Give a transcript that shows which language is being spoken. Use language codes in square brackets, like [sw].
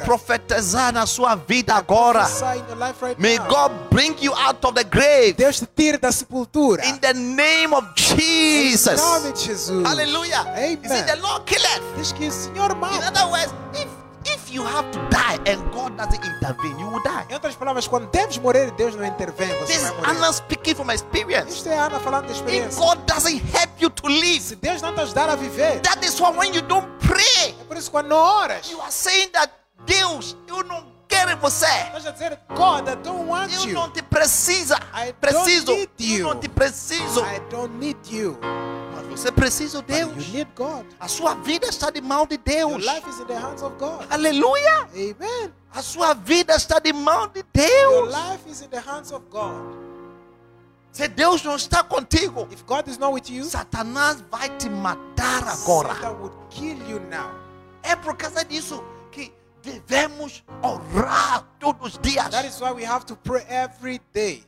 [pt] Eu profetizar na sua vida agora. [en] May God bring you out of the grave. [pt] Deus te tire da sepultura. [en] In the name of Jesus. [pt] Em nome de Jesus. [en] Hallelujah. Amen. Is it the Lord killeth? [pt] Diz que o Senhor mata. [en] In other words, if you have to die and God doesn't intervene, you will die. [pt] Em outras palavras, quando deves morrer e Deus não intervém, você [en] this [pt] vai morrer. [en] Anna speaking from experience. [pt] Isto é Ana falando de experiência. [en] If God doesn't help you to live, [pt] se Deus não te ajudar a viver, [en] that is why when you don't pray, [pt] é por isso quando oras, [en] you are saying that [pt] Deus, eu não quero você. [en] God, I don't want [pt] eu [en] you. [pt] Não te precisa. [en] I [pt] preciso. [en] Don't need you. [pt] Eu não te preciso. [en] I don't need you. [pt] Você precisa de Deus. [en] You need God. [pt] A sua vida está de mão de Deus. [en] Your life is in the hands of God. [pt] Aleluia. [en] Amen. [pt] A sua vida está de mão de Deus. [en] Your life is in the hands of God. [pt] Se Deus não está contigo, [en] if God is not with you, [pt] Satanás vai te matar agora. [en] Satan would kill you now. [pt] É por causa disso que devemos orar todos os dias. [en] That is why we have to pray every day.